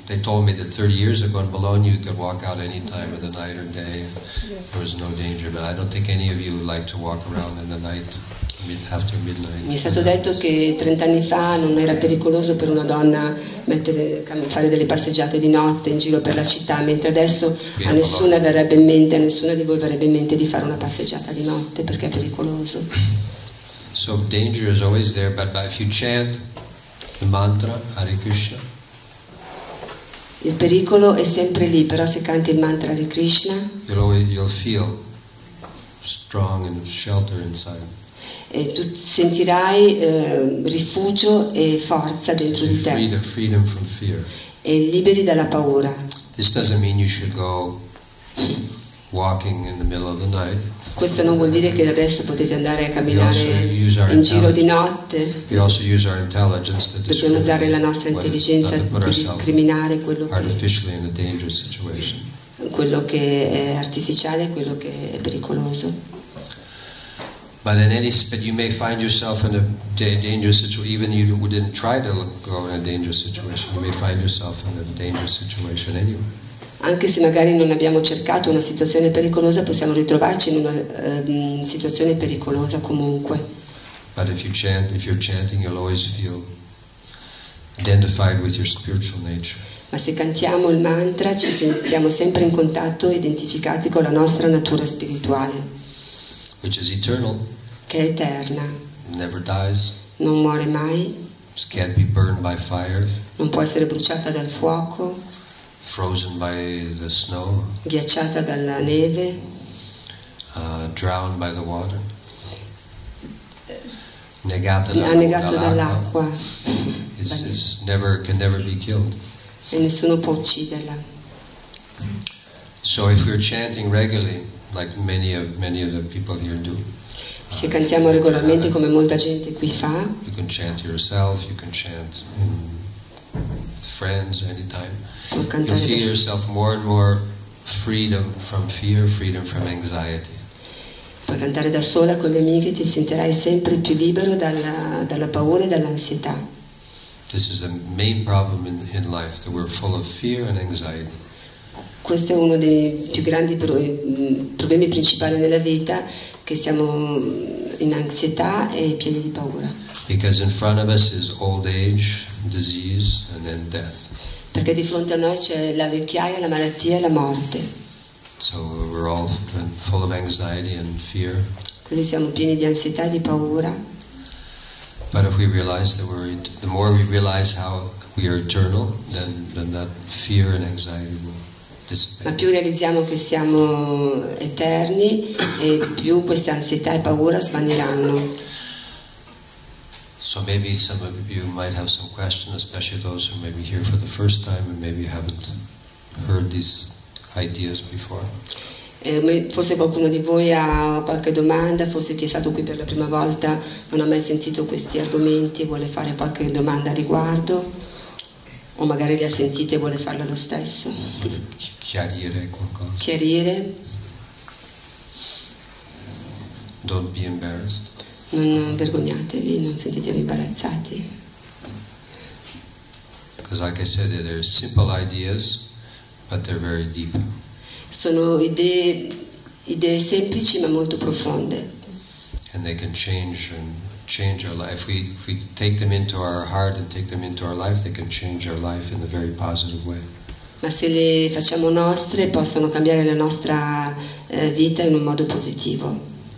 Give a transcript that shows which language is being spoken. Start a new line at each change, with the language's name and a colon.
English: They told me that 30 years ago in Bologna you could walk out any time of the night or day. Yes. There was no danger, but I don't think any of you like to walk around in the night after midnight.
Italian: Mi è stato detto che 30 anni fa non era pericoloso per una donna fare delle passeggiate di notte in giro per la città, mentre adesso a nessuna di voi verrebbe in mente di fare una passeggiata di notte perché è pericoloso.
English: So danger is always there, but if you chant the mantra Hare Krishna.
Italian: Il pericolo è sempre lì, però se canti il mantra Hare Krishna,
English: you'll feel strong and shelter inside.
Italian: E tu sentirai rifugio e forza dentro di te.
English: Freedom from fear.
Italian: E liberi dalla paura.
English: This doesn't mean you should go walking in the middle of the night.
Italian: Questo non vuol dire che adesso potete andare a camminare in giro di notte.
English: We also use our intelligence to
Italian: dobbiamo usare la nostra intelligenza per discriminare quello che è artificiale e quello che è pericoloso.
English: But in any spirit, you may find yourself in a dangerous situation. Even if you didn't try to go in a dangerous situation, you may find yourself in a dangerous situation anyway.
Italian: Anche se magari non abbiamo cercato una situazione pericolosa, possiamo ritrovarci in una situazione pericolosa comunque.
English: But if you're chanting, you'll always feel identified with your spiritual nature.
Italian: Ma se cantiamo il mantra, ci sentiamo sempre in contatto, identificati con la nostra natura spirituale.
English: Which is eternal.
Italian: Che è eterna.
English: Never dies.
Italian: Non muore mai.
English: Can't be burned by fire.
Italian: Non può essere bruciata dal fuoco.
English: Frozen by the snow.
Italian: Ghiacciata dalla neve.
English: Drowned by the water.
Italian: Negata dall'acqua.
English: It's never can never be killed.
Italian: E nessuno può ucciderla.
English: So if we're chanting regularly, like many of the people here do.
Italian: Se cantiamo regolarmente come molta gente qui fa.
English: You can chant yourself, you can chant with friends anytime. You feel yourself more and more freedom from fear, freedom from anxiety.
Italian: Puoi cantare da sola con le amiche, ti sentirai sempre più libero dalla paura e dall'ansietà.
English: This is the main problem in life, that we're full of fear and anxiety.
Italian: Questo è uno dei più grandi problemi principali nella vita, che siamo in ansietà e pieni di paura.
English: Because in front of us is old age, disease, and then death.
Italian: Perché di fronte a noi c'è la vecchiaia, la malattia e la morte.
English: So we're all full of anxiety and fear.
Italian: Così siamo pieni di ansietà e di paura.
English: But if we realize that the more we realize how we are eternal, then that fear and anxiety will.
Italian: Ma più realizziamo che siamo eterni e più questa ansietà e paura svaniranno.
English: So maybe some of you might have some questions, especially those who may be here for the first time and maybe haven't heard these ideas before.
Italian: Forse qualcuno di voi ha qualche domanda, forse chi è stato qui per la prima volta non ha mai sentito questi argomenti e vuole fare qualche domanda a riguardo. O magari li ha sentiti e vuole farlo lo stesso. Chiarire qualcosa. Chiarire.
English: Don't be embarrassed.
Italian: Non vergognatevi, non sentitevi imbarazzati.
English: Because like I said, they're simple ideas, but they're very deep.
Italian: Sono idee semplici ma molto profonde.
English: And they can change our life. If we take them into our heart and take them into our life, they can change our life in a very positive way.
Italian: ma se le facciamo nostre possono cambiare la nostra vita in un modo positivo.